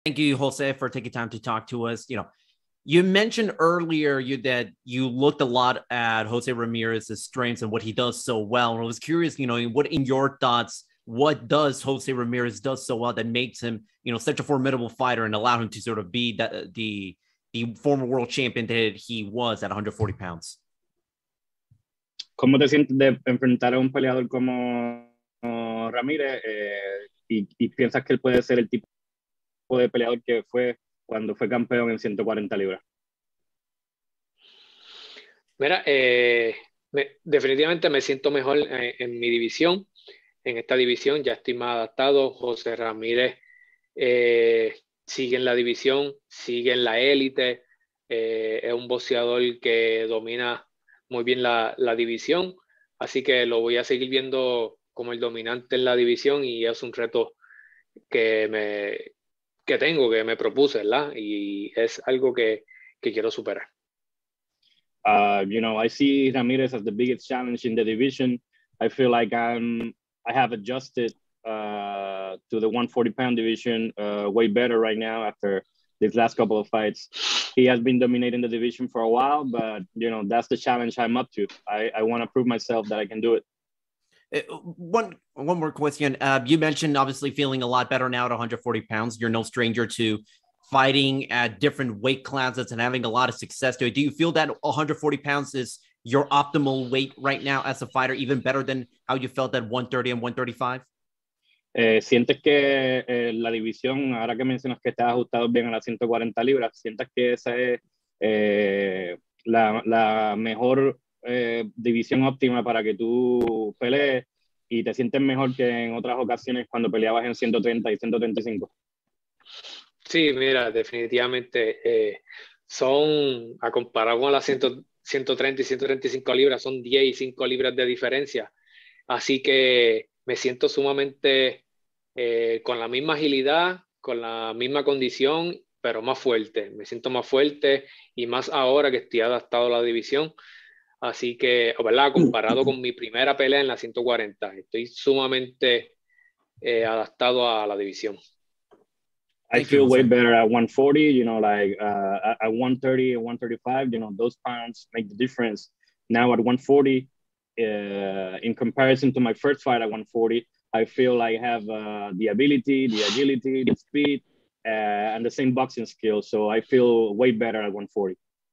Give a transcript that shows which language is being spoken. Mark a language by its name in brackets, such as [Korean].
[English] Thank you, Jose, for taking time to talk to us. You know, you mentioned earlier that you looked a lot at Jose Ramirez's strengths and what he does so well. And I was curious, you know, what in your thoughts, what does Jose Ramirez does so well that makes him, you know, such a formidable fighter and allow him to sort of be the former world champion that he was at 140 pounds? [Spanish] ¿Cómo te sientes de enfrentar a un peleador como Ramirez? ¿Y piensas que él puede ser el tipo de peleador que fue cuando fue campeón en 140 libras? Mira, definitivamente me siento mejor en mi división. En esta división ya estoy más adaptado. José Ramírez sigue en la división, sigue en la élite. Es un boxeador que domina muy bien la división. Así que lo voy a seguir viendo como el dominante en la división y es un reto que me propuse, ¿verdad? Y es algo que quiero superar. [English] You know, I see Ramirez as the biggest challenge in the division. I feel like I have adjusted to the 140-pound division way better right now after these last couple of fights. He has been dominating the division for a while, but, you know, that's the challenge I'm up to. I want to prove myself that I can do it. One more question. You mentioned obviously feeling a lot better now at 140 pounds. You're no stranger to fighting at different weight classes and having a lot of success to it. Do you feel that 140 pounds is your optimal weight right now as a fighter, even better than how you felt at 130 and 135? [Spanish] ¿Sientes que la división, ahora que mencionas que estás ajustado bien a las 140 libras, sientes que esa es la mejor división óptima para que tú pelees y te sientes mejor que en otras ocasiones cuando peleabas en 130 y 135? Sí, mira, definitivamente son, a comparar con las 130 y 135 libras, son 10 y 5 libras de diferencia. Así que me siento sumamente con la misma agilidad, con la misma condición, pero más fuerte. Me siento más fuerte y más ahora que estoy adaptado a la división. Así que, ¿verdad? Comparado con mi primera pelea en la 140, estoy sumamente adaptado a la división. [English] I feel way better at 140, you know, like at 130, 135, you know, those pounds make the difference. Now at 140, in comparison to my first fight at 140, I feel like I have the ability, the agility, the speed, and the same boxing skill. So I feel way better at 140.